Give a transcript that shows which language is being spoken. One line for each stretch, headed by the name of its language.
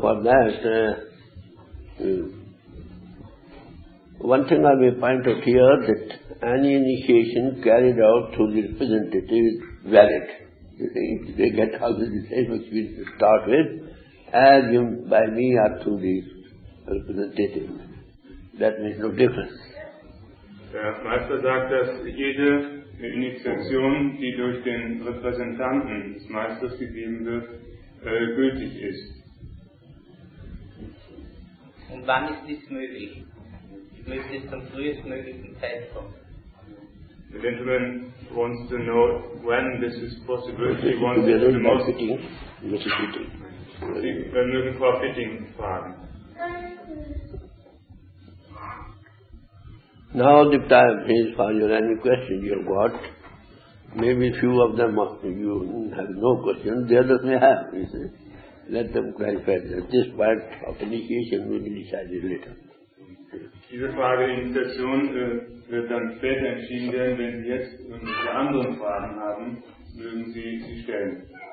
English: for that, one thing I may point out here, that any initiation carried out through the representative is valid. They get out of the same experience to start with, as you, by me or through the representative. That makes no difference.
German: Der Meister sagt, dass jede Initiation, die durch den Repräsentanten des Meisters gegeben wird, gültig ist. Und wann ist dies möglich? Möchte es zum frühestmöglichen Zeitpunkt?
English: The gentleman wants to know when this is possible. He wants to be the most fitting.
German: Sie mögen Frau Fitting fragen.
English: Now the time is for your any questions you have got. Maybe few of them you have no questions, the others may have, you see. Let them clarify that. This part of initiation will be decided later.
German: Diese Frage der Initiation wird dann später entschieden werden. Wenn Sie jetzt irgendwelche anderen Fragen haben, mögen Sie sie stellen.